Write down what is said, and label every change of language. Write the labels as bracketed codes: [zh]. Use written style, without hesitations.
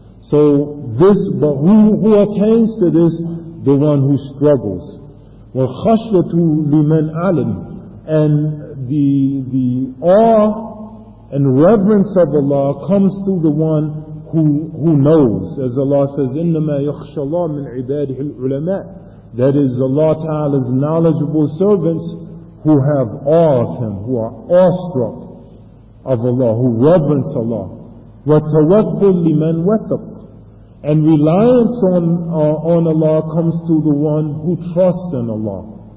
[en] So this, but who attains to this? The one who struggles. [ar] وَخَشْيَةُ لِمَنْ عَلِمْ. [en] And the awe and reverence of Allah comes through the one who knows. As Allah says, [ar] إِنَّمَا يَخْشَى اللَّهُ مِنْ عِبَادِهِ الْعُلَمَاءِ. [en] That is Allah Ta'ala's knowledgeable servants who have awe of Him, who are awestruck of Allah, who reverence Allah. [ar] وَتَوَكُّلْ لِمَنْ وَثَقُ. [en] And reliance on Allah comes to the one who trusts in Allah.